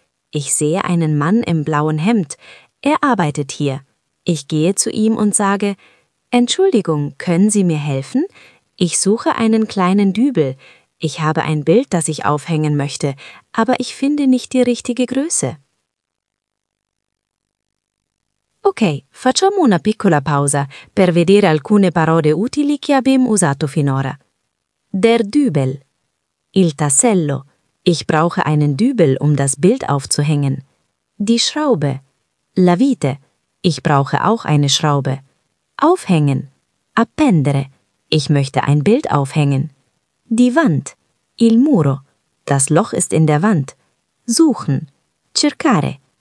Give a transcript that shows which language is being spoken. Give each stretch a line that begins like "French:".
German: Ich sehe einen Mann im blauen Hemd. Er arbeitet hier. Ich gehe zu ihm und sage: Entschuldigung, können Sie mir helfen? Ich suche einen kleinen Dübel. Ich habe ein Bild, das ich aufhängen möchte, aber ich finde nicht die richtige Größe.
Italian: Ok, facciamo una piccola pausa per vedere alcune parole utili che abbiamo usato finora.
German: Der Dübel.
Italian: Il tassello.
German: Ich brauche einen Dübel, um das Bild aufzuhängen. Die Schraube.
Italian: La vite.
German: Ich brauche auch eine Schraube. Aufhängen.
Italian: Appendere.
German: Ich möchte ein Bild aufhängen. Die Wand.
Italian: Il muro.
German: Das Loch ist in der Wand. Suchen.
Italian: Cercare.